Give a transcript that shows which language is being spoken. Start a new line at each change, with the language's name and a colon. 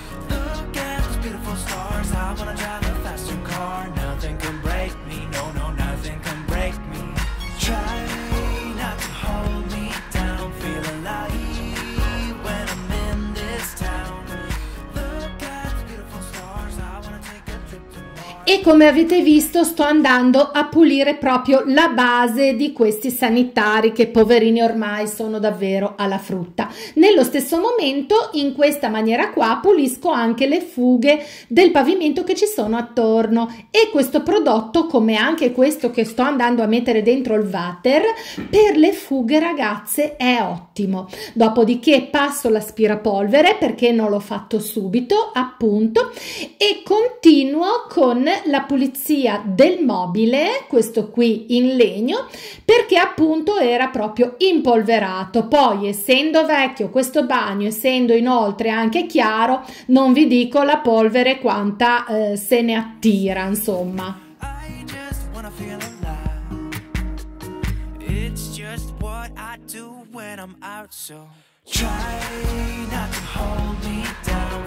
English: Look at those beautiful stars. I wanna drive a faster car. Nothing can break me. No, no, nothing can break me. Try not to hold me down. Feel alive when I'm in this town. Look at those beautiful stars. I wanna take a trip to Mars.
Italian: E come avete visto, sto andando a pulire proprio la base di questi sanitari che poverini ormai sono davvero alla frutta. Nello stesso momento, in questa maniera qua, pulisco anche le fughe del pavimento che ci sono attorno. E questo prodotto, come anche questo che sto andando a mettere dentro il water, per le fughe, ragazze, è ottimo. Dopodiché passo l'aspirapolvere, perché non l'ho fatto subito, appunto, e continuo con la pulizia del mobile, questo qui in legno, perché appunto era proprio impolverato. Poi, essendo vecchio questo bagno, essendo inoltre anche chiaro, non vi dico la polvere quanta se ne attira, insomma.
English: I just wanna feel alive. It's just what I do when I'm out, so try not to hold me down.